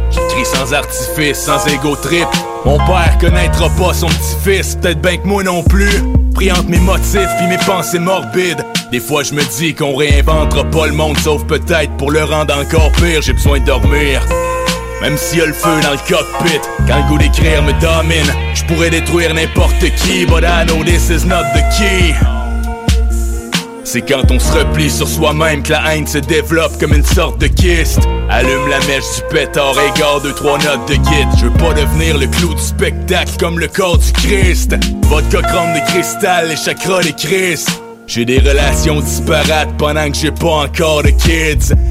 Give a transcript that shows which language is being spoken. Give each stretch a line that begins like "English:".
French: J'écris sans artifice, sans égo trip. Mon père connaîtra pas son petit-fils, peut-être bien que moi non plus. Pris entre mes motifs pis mes pensées morbides. Des fois j'me dis qu'on réinventera pas le monde, sauf peut-être pour le rendre encore pire. J'ai besoin de dormir, même s'il y a le feu dans le cockpit. Quand le goût d'écrire me domine, je pourrais détruire n'importe qui.
English: But I know this is not the key.
French: C'est quand on se replie sur soi-même que la haine se développe comme une sorte de kyste. Allume la mèche du pétard et garde 2-3 notes de guide. Je veux pas devenir le clou du spectacle comme le corps du Christ. Vodka chrome des cristals, les chakras des Christ. J'ai des relations disparates pendant que j'ai pas encore de kids.